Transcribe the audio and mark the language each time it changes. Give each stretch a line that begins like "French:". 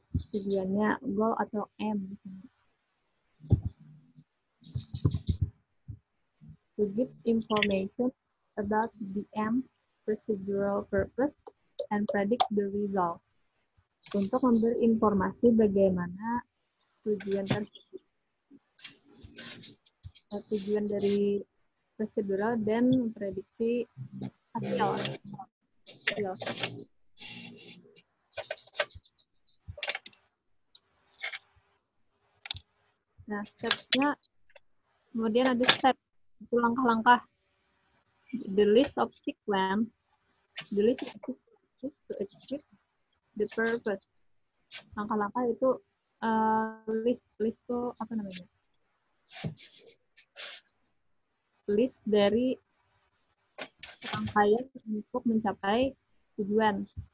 Indonesian: Tujuannya goal atau aim.
English: To give information about the aim, procedural purpose, and predict the result.
Indonesian: Untuk memberi informasi bagaimana tujuan tersebut. Tujuan dari prosedural dan prediksi hasil. Nah, step-nya kemudian ada step itu langkah-langkah.
English: The list of sequence to achieve the purpose.
Indonesian: Langkah-langkah itu list itu apa namanya? List dari rangkaian untuk mencapai tujuan.